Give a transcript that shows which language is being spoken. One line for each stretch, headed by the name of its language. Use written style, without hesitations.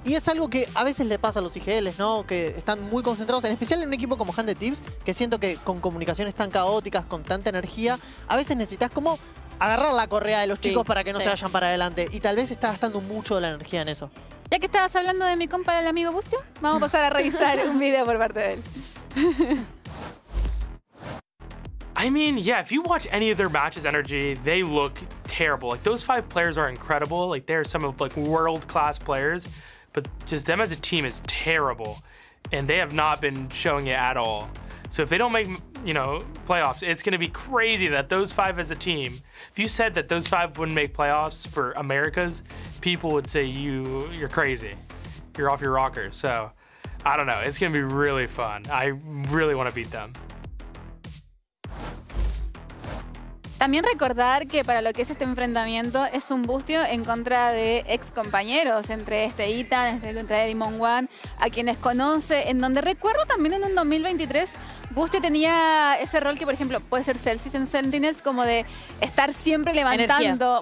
Spanish: Y es algo que a veces le pasa a los IGLs, ¿no? Que están muy concentrados, en especial en un equipo como Handed Tips, que siento que con comunicaciones tan caóticas, con tanta energía, a veces necesitas como agarrar la correa de los chicos para que no se vayan para adelante. Y tal vez está gastando mucho de la energía en eso. Ya que estabas hablando de mi compa, el amigo Bustio, vamos a pasar a revisar un video por parte de él.
English: I mean, yeah, if you watch any of their matches, Energy, they look terrible. Like, those five players are incredible. Like, they're some of, like, world-class players. But just them as a team is terrible. And they have not been showing it at all. So if they don't make, you know, playoffs, it's going to be crazy that those five as a team, if you said that those five wouldn't make playoffs for Americas, people would say you're crazy. You're off your rocker. So I don't know. It's going to be really fun. I really want to beat them.
Spanish: También recordar que para lo que es este enfrentamiento es un Bustio en contra de ex compañeros, entre este Ethan, entre Demon One, a quienes conoce, en donde recuerdo también en un 2023 Bustio tenía ese rol que, por ejemplo, puede ser Celsius en Sentinels, como de estar siempre levantando energía.